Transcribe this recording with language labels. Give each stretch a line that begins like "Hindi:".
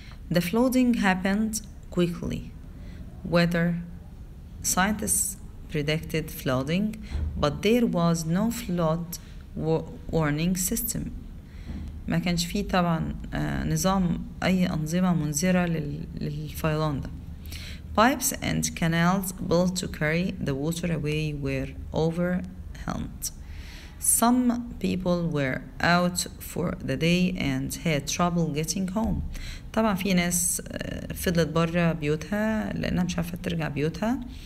English: The flooding happened quickly. Weather scientists predicted flooding, but there was no flood warning system.
Arabic: ما كانش فيه طبعا نظام أي أنظمة منذرة للفيضان ده.
English: Pipes and canals built to carry the water away were overwhelmed. Some people were out for the day and had trouble getting home.
Arabic: طبعا في ناس فضلت برا بيوتها لأنها مش عارفة ترجع بيوتها.